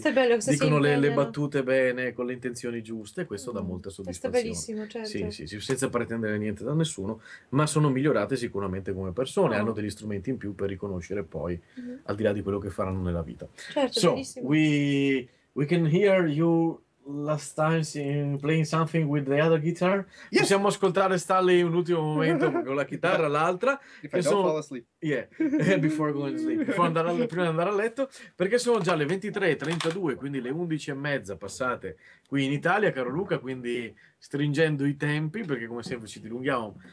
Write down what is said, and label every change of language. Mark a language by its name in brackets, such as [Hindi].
[Italian] questo è bello, dicono le battute bene, con le intenzioni giuste, e questo dà molta soddisfazione. Questo è bellissimo, certo. Sì, sì, sì, senza pretendere niente da nessuno, ma sono migliorate sicuramente come persone, hanno degli strumenti in più per riconoscere poi, al di là di quello che faranno nella vita. Certo, so, bellissimo. [English] We can hear you... Last time seeing, playing something with the other guitar. Yes. [Italian] Possiamo ascoltare Stanley un ultimo momento con la chitarra, l'altra. [English] If I don't fall asleep. Yeah, before going to sleep. [Italian] Prima di andare a letto. Perché sono già le 23:32, quindi le 11:30 passate qui in Italia, caro Luca. Quindi stringendo i tempi, perché come sempre ci dilunghiamo.